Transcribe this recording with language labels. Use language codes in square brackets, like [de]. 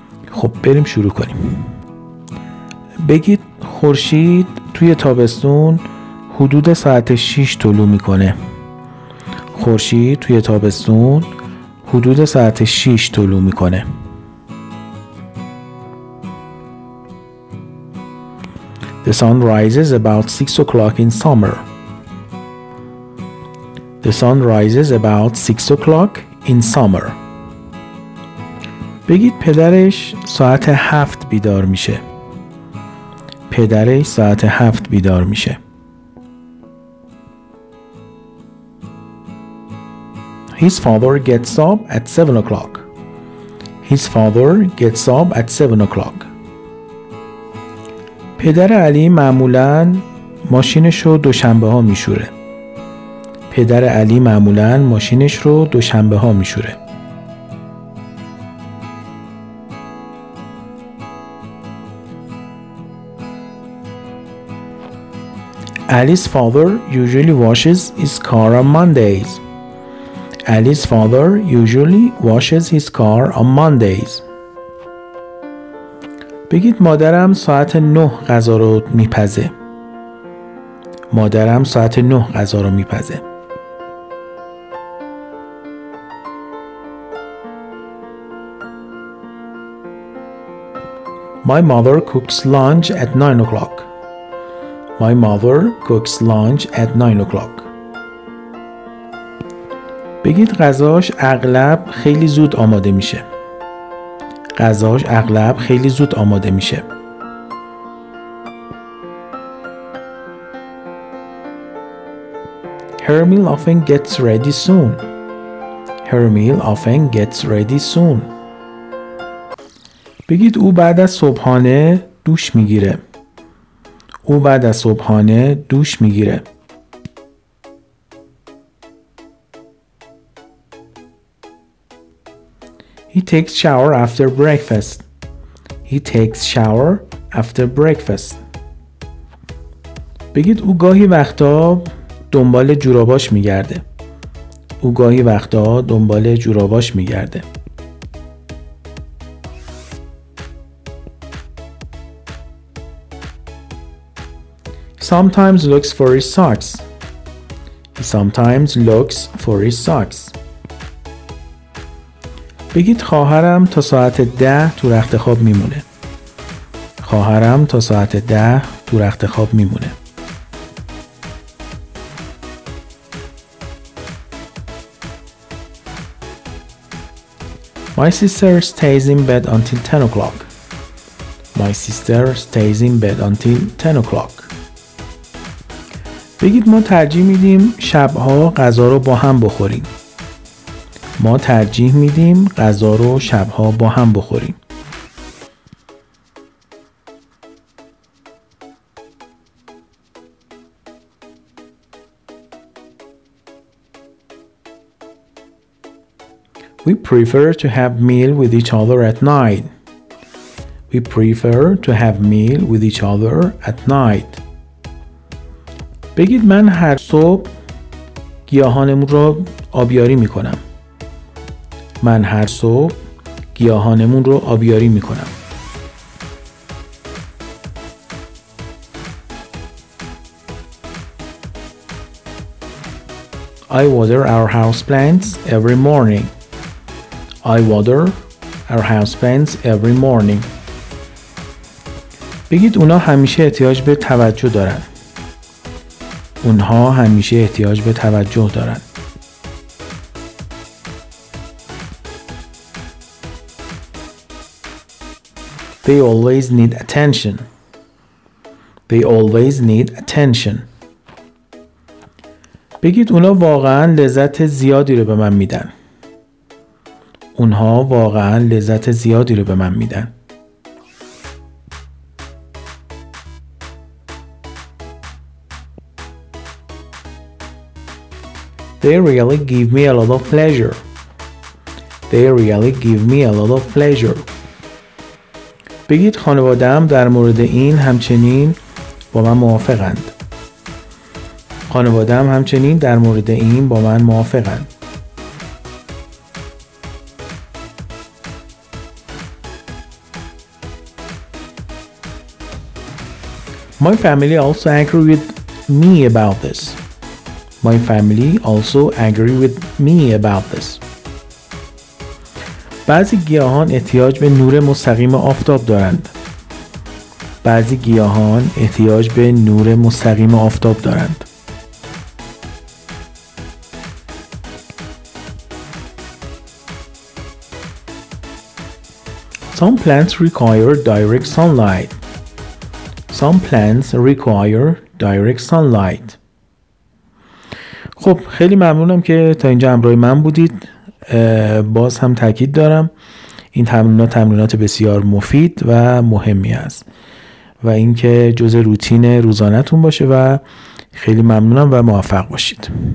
[fa] خب بریم شروع کنیم. بگید خورشید توی تابستون حدود ساعت 6 طلوع میکنه. خورشید توی تابستون حدود ساعت 6 طلوع میکنه. [en] The sun rises about 6 o'clock in summer. The sun rises about 6 o'clock in summer. [fa] بگید پدرش ساعت 7 بیدار میشه. پدرش ساعت 7 بیدار میشه. [en] His father gets up at 7 o'clock. His father gets up at 7 o'clock. [fa] پدر علی معمولاً ماشینش رو دوشنبه ها میشوره. پدر علی معمولاً ماشینش رو دوشنبه ها میشوره. [en] Ali's father usually washes his car on Mondays. Ali's father usually washes his car on Mondays. [fa] بگید مادرم ساعت 9 غذا رو میپزه. مادرم ساعت 9 غذا رو میپزه. [en] My mother cooks lunch at 9 o'clock. My mother cooks lunch at 9 o'clock. [fa] بگید غذاش اغلب خیلی زود آماده میشه. غذاش اغلب خیلی زود آماده میشه. [en] Her meal often gets ready soon. Her meal often gets ready soon. [fa] بگید او بعد از صبحانه دوش میگیره. او بعد از صبحانه دوش میگیره. [en] He takes shower after breakfast. He takes shower after breakfast. [fa] بگید او گاهی وقتا دنبال جوراباش میگرده. او گاهی وقتا دنبال جوراباش میگرده. [en] Sometimes looks for his socks. He sometimes looks for his socks. [fa] بگید خواهرم تا ساعت 10 تو رخت خواب میمونه. خواهرم تا ساعت 10 تو رخت خواب میمونه. [en] My sister stays in bed until 10 o'clock. My sister stays in bed until 10 o'clock. [fa] بگید ما ترجیح میدیم شبها غذا رو با هم بخوریم. ما ترجیح میدیم غذا رو شبها با هم بخوریم. [en] We prefer to have meal with each other at night. We prefer to have meal with each other at night. [fa] بگید من هر صبح گیاهانم رو آبیاری میکنم. من هر صبح گیاهانمون رو آبیاری میکنم. [en] I water our house plants every morning. I water our house plants every morning. [fa] بگید اونا همیشه احتیاج به توجه دارن. اونها همیشه احتیاج به توجه دارن. [en] They always need attention. They always need attention. [fa] بگید اونا واقعا لذت زیادی رو به من میدن. اونها واقعا لذت زیادی رو به من میدن. [en] They really give me a lot of pleasure. They really give me a lot of pleasure. [fa] بگید خانواده‌ام در مورد این همچنین با من موافقند. خانواده‌ام همچنین در مورد این با من موافقند. [en] My family also agree with me about this. My family also agree with me about this. [fa] بعضی گیاهان احتیاج به نور مستقیم آفتاب دارند. بعضی گیاهان احتیاج به نور مستقیم آفتاب دارند. [en] Some plants require direct sunlight. Some plants require direct sunlight. [fa] خب خیلی ممنونم که تا اینجا همراه من بودید. باز هم تاکید دارم این تمرینات بسیار مفید و مهمی است و اینکه جزء روتین روزانه‌تون باشه و خیلی ممنونم و موفق باشید.